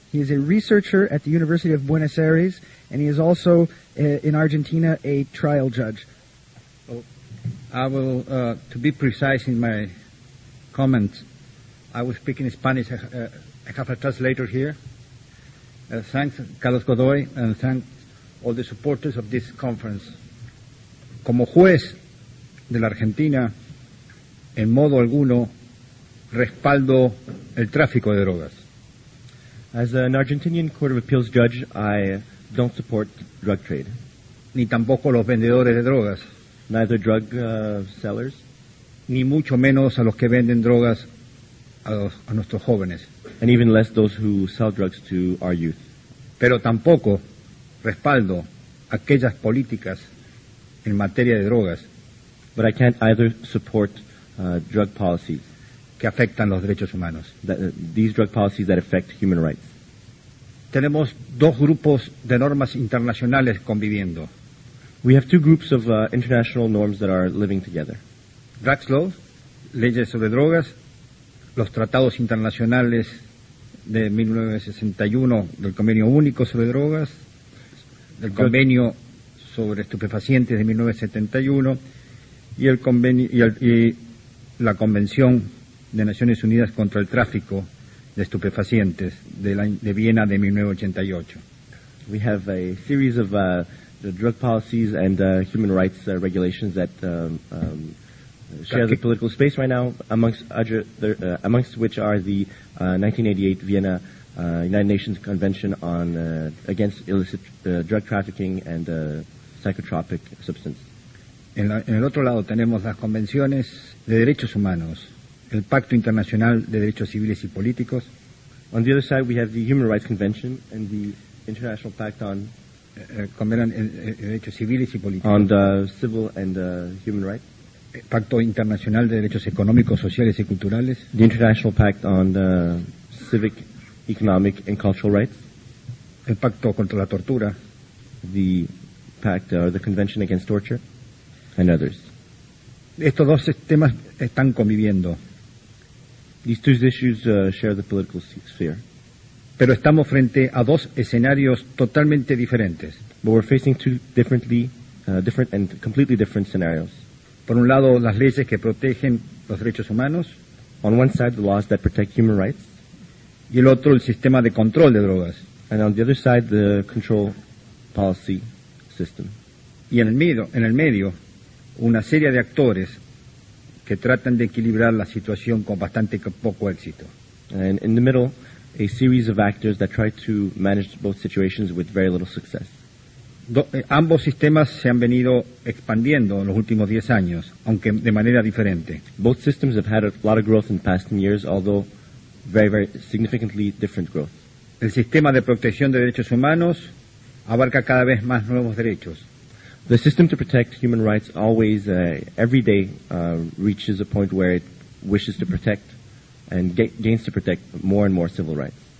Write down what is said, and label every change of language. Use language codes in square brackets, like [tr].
[en] He is a researcher at the University of Buenos Aires, and he is also, in Argentina, a trial judge. I will, to be precise in my comments, I will speak in Spanish. I have a translator here. Thanks, Carlos Godoy, and thanks all the supporters of this conference. [es] Como juez de la Argentina, en modo alguno, respaldo el tráfico de drogas. [en] As an Argentinian Court of Appeals judge, I don't support drug trade. [es] Ni tampoco los vendedores de drogas. [en] Neither drug sellers. [es] Ni mucho menos a los que venden drogas a nuestros jóvenes. [en] And even less those who sell drugs to our youth. [es] Pero tampoco respaldo aquellas políticas en materia de drogas. [en] But I can't either support drug policies. [es] Que afectan los derechos humanos. [en] These drug policies that affect human rights. [es] Tenemos dos grupos de normas internacionales conviviendo. [en] We have two groups of international norms that are living together. Drugs laws, [es] leyes sobre drogas, los tratados internacionales de 1961 del Convenio Único sobre Drogas, del Convenio sobre Estupefacientes de 1971 y el convenio y la Convención de Naciones Unidas contra el Tráfico de Estupefacientes de Viena de 1988. [en] We have a series of the drug policies and human rights regulations that share the political space right now, amongst which are the 1988 Vienna United Nations Convention on against illicit drug trafficking and psychotropic substance. [es] En el otro lado tenemos las convenciones de derechos humanos, el Pacto Internacional de Derechos Civiles y Políticos. [en] On the other side we have the Human Rights Convention and the International Pact on [es] Derechos Civiles y Políticos. [en] On the civil and human rights. [es] Pacto Internacional de Derechos Económicos, Sociales y Culturales. [en] The International Pact on Civic, Economic and Cultural Rights. [es] El Pacto contra la Tortura. [en] The Pact or the Convention Against Torture. And others. [es] Estos dos temas están conviviendo. [en] These two issues share the political sphere. [es] Pero estamos frente a dos escenarios totalmente diferentes. [en] But we're facing two different and completely different scenarios. [es] Por un lado, las leyes que protegen los derechos humanos. [en] On one side, the laws that protect human rights. [es] Y el otro, el sistema de control de drogas. [en] And on the other side, the control policy system. [es] Y en el medio, una serie de actores que tratan de equilibrar la situación con bastante poco éxito. [en] And in the middle, a series of actors that try to manage both situations with very little success. [es] Ambos sistemas se han venido expandiendo en los últimos 10 años, aunque de manera diferente. [en] Both systems have had a lot of growth in the past 10 years, although very, very significantly different growth. [es] El sistema de protección de derechos humanos abarca cada vez más nuevos derechos. [en] The system to protect human rights always, every day, reaches a point where it wishes to protect and gains to protect more and more civil rights.